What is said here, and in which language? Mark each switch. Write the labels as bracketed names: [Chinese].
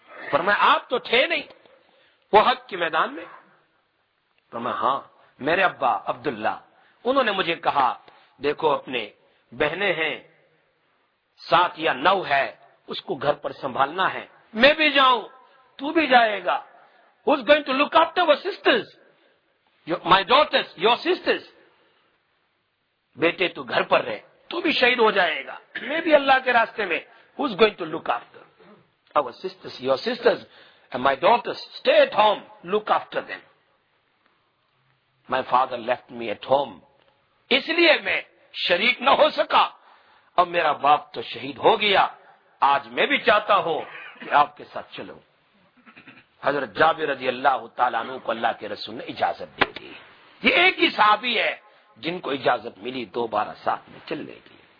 [Urdu] فرمایا آپ تو تھے نہیں وہ حق کے میدان میں. فرمایا ہاں میرے ابا عبداللہ انہوں نے مجھے کہا دیکھو اپنے بہنیں ہیں 7 یا 9 ہے، اس کو گھر پر سنبھالنا ہے، میں بھی جاؤں تو بھی جائے گا. [English] Who's going to look after our sisters? My daughters, your sisters. [Urdu] بیٹے تو گھر پر رہے، تو بھی شہید ہو جائے گا، میں بھی اللہ کے راستے میں. [English] Who's going to look after our sisters, your sisters and my daughters? Stay at home, look after them. My father left me at home. [Urdu] اس لیے میں شریک نہ ہو سکا، اب میرا باپ تو شہید ہو گیا، آج میں بھی چاہتا ہوں کہ آپ کے ساتھ چلوں. حضرت جابر رضی اللہ تعالیٰ عنہ کو اللہ کے رسول نے اجازت دے دی. یہ ایک ہی صحابی ہے جن کو اجازت ملی دوبارہ ساتھ میں چلنے کی.